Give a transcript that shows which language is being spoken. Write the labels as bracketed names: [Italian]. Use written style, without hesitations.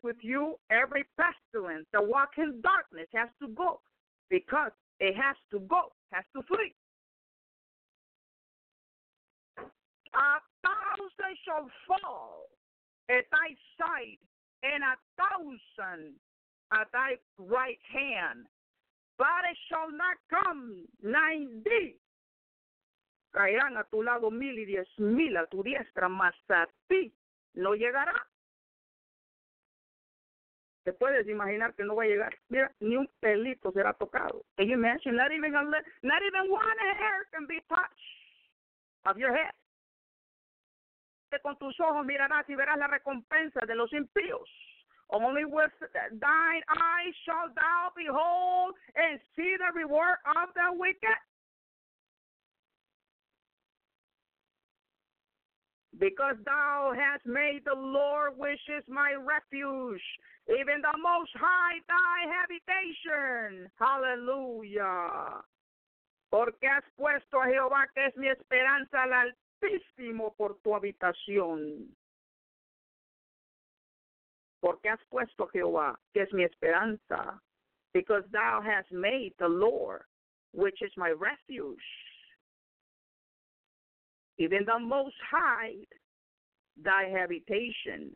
[English] With you, every pestilence, the walk in darkness has to go. Because it has to go, has to flee. A thousand shall fall at thy side, and a thousand at thy right hand. But it shall not come nigh thee. [Spanish] Caerán a tu lado mil y diez mil a tu diestra, mas a ti no llegará. Te puedes imaginar que no va a llegar. Mira, ni un pelito será tocado. [English] Can you imagine? Not even one hair can be touched of your head. [Spanish] Con tus ojos mirarás y verás la recompensa de los impíos. [English] Only with thine eyes shall thou behold and see the reward of the wicked. Because thou hast made the Lord, which is my refuge, even the Most High, thy habitation. Hallelujah. [Spanish] Porque has puesto a Jehová, que es mi esperanza, al Altísimo por tu habitación. Porque has puesto a Jehová, que es mi esperanza. [English] Because thou hast made the Lord, which is my refuge, even the Most High, thy habitation.